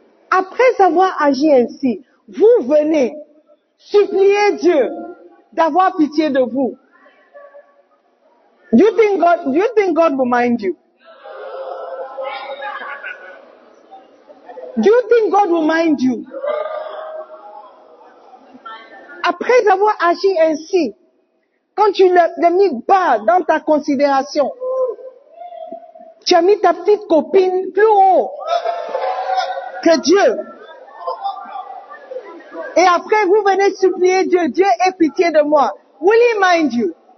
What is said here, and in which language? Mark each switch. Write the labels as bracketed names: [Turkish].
[French] Après avoir agi ainsi, vous venez supplier Dieu d'avoir pitié de vous. [English] You think God will mind you? Do you think God will mind you? [French] Après avoir agi ainsi, quand tu l'as mis bas dans ta considération, tu as mis ta petite copine plus haut que Dieu. Et après, vous venez supplier Dieu. Dieu ait pitié de moi. [English] Will he mind you?